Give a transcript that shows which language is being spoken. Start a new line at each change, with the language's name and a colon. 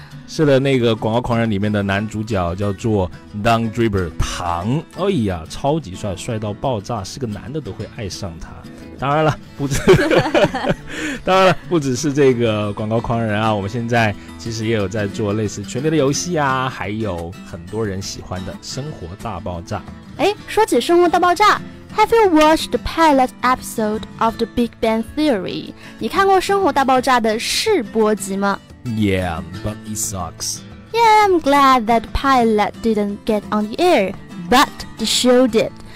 Chinese: 是的，那个广告狂人里面的男主角叫做 Don Draper 唐，哎呀超级帅，帅到爆炸，是个男的都会爱上他。当然了不止当然了不只是这个广告狂人啊，我们现在其实也有在做类似权力的游戏啊，还有很多人喜欢的生活大爆炸。哎，说起生活大爆炸，
English: Have you watched the pilot episode of the Big Bang Theory?
Chinese: 你看过生活大爆炸的试播集吗？
English: Yeah, but it sucks. Yeah, I'm glad that pilot didn't get on the air, but the show did.